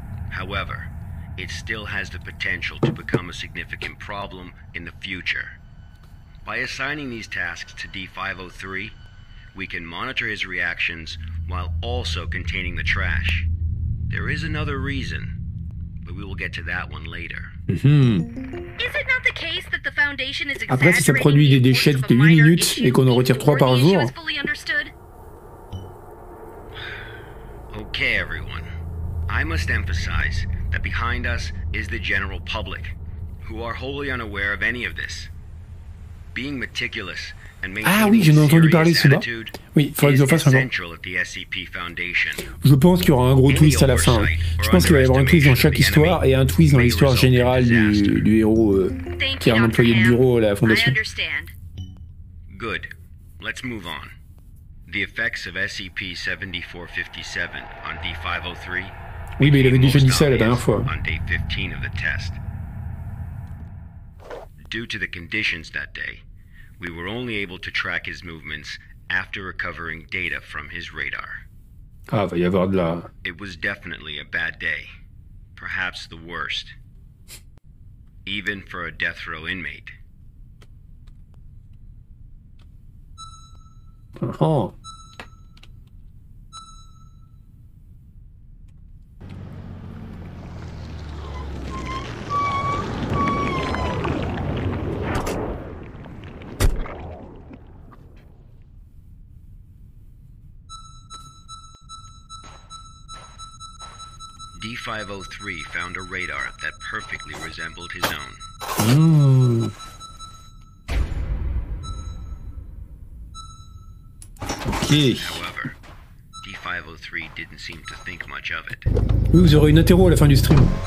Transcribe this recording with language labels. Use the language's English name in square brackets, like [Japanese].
[English] However, it still has the potential to become a significant problem in the future. By assigning these tasks to D-503, we can monitor his reactions while also containing the trash. There is another reason, but we will get to that one later. Is it not the case that the foundation is exaggerating? [French] Après, si ça produit des déchets toutes les 8 minutes et qu'on en retire 3 par jour. [English] Okay, everyone. I must emphasize that behind us is the general public, who are wholly unaware of any of this. Being meticulous and maintaining a serious attitude is essential at the SCP Foundation. [French] Je pense qu'il y aura un gros twist à la fin. Je pense qu'il va y avoir un twist dans chaque histoire et un twist dans l'histoire générale du héros qui est un employé de bureau à la Fondation. [English] Good. Let's move on. The effects of SCP-7457 on D-503. [French] Oui, mais il avait déjà dit ça la dernière fois. [English] On day 15 of the test. Due to the conditions that day, we were only able to track his movements after recovering data from his radar. [French] Ah, va y avoir de la. [English] It was definitely a bad day, perhaps the worst, even for a death row inmate. D-503 found a radar that perfectly resembled his own. However, D-503 didn't seem to think much of it. [French] Oui, vous aurez une interro à la fin du stream.